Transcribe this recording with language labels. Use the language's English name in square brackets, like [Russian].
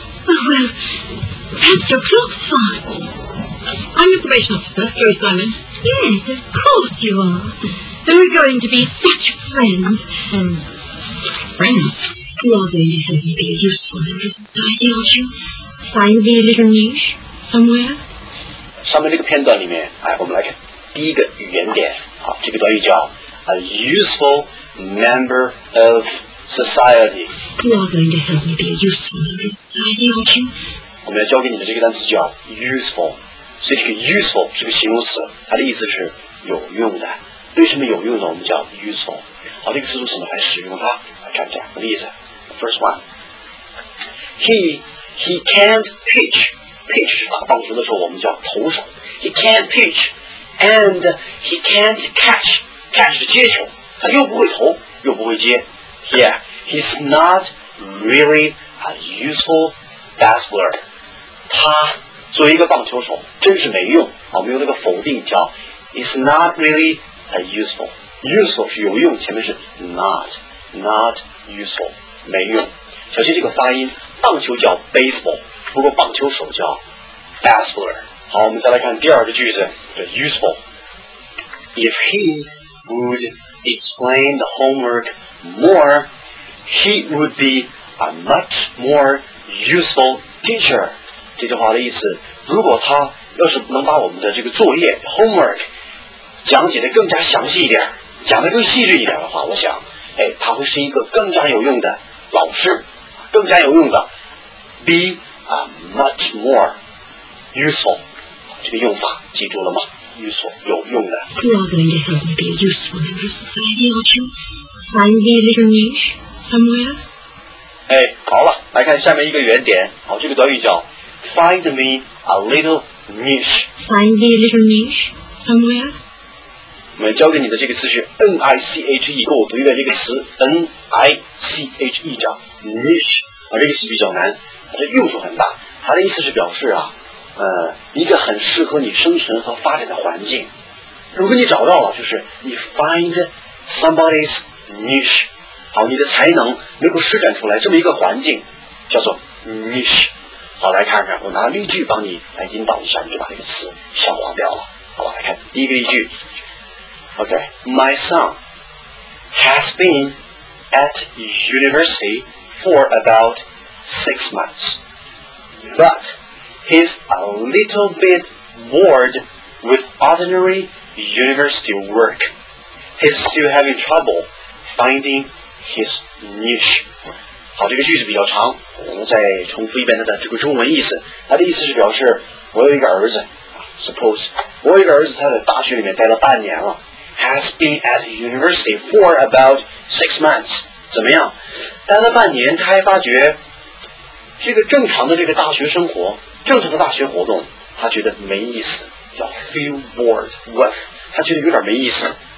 [English] Oh, well, perhaps your clock's fast. I'm your probation officer, Chloe Simon. Yes, of course you are. Then we're going to be such friends. Friends? You are going to help me be useful in this society, aren't you? Find me a little niche somewhere. [Chinese] 上面这个片段里面，哎，我们来看第一个语言点。好，这个短语叫 [English] a useful member of society. You are going to help me be useful in this society, aren't you? [Chinese] 我们要教给你的这个单词叫 useful。所以这个 useful 是个形容词，它的意思是有用的。为什么有用呢？我们叫 useful。好，这个词组怎么来使用它？来看两个例子。 [English] First one, he can't pitch. [Chinese] Pitch 是打棒球的时候我们叫投手。 [English] He can't pitch, and he can't catch. [Chinese] Catch 是接球，他又不会投，又不会接。 [English] Yeah, he's not really a useful basketballer. [Chinese] 他作为一个棒球手真是没用。我们用那个否定叫 [English] It's not really a useful. [Chinese] Useful 是有用，前面是 not useful, 没用。小心这个发音，棒球叫 baseball, 不过棒球手叫 basketballer。好，我们再来看第二个句子，这 useful。 [English] If he would explain the homework more, he would be a much more useful teacher. [Chinese] 这句话的意思，如果他要是能把我们的这个作业 homework 讲解得更加详细一点，讲得更细致一点的话，我想，哎，他会是一个更加有用的老师，更加有用的 [English] be a much more useful [Chinese] 这个用法记住了吗？ useful 有用的。 [English] You are going to help me be a useful member of society, aren't you? Find me a little niche somewhere. [Chinese] 哎，好了，来看下面一个原点。好，这个短语叫 [English] Find me a little niche. Find me a little niche somewhere. [Chinese] 我们教给你的这个词是 niche， 跟我读一遍这个词 niche， 叫 niche。啊，这个词比较难，它的用处很大。它的意思是表示啊，一个很适合你生存和发展的环境。如果你找到了，就是你 [English] find somebody's niche。 [Chinese] 好，你的才能能够施展出来，这么一个环境叫做 niche。好，来看看，我拿例句帮你来引导一下，你就把这个词消化掉了。好吧，来看第一个例句。 [English] OK, my son has been at university for about 6 months, but he's a little bit bored with ordinary university work. He's still having trouble finding his niche. [Chinese] 好，这个句子比较长，我们再重复一遍它的这个中文意思。它的意思是表示我有一个儿子 ，suppose 我有一个儿子，他在大学里面待了半年了 ， [English] has been at university for about 6 months， [Chinese] 怎么样？待了半年，他还发觉这个正常的这个大学生活，正常的大学活动，他觉得没意思，叫 [English] feel bored with， [Chinese] 他觉得有点没意思。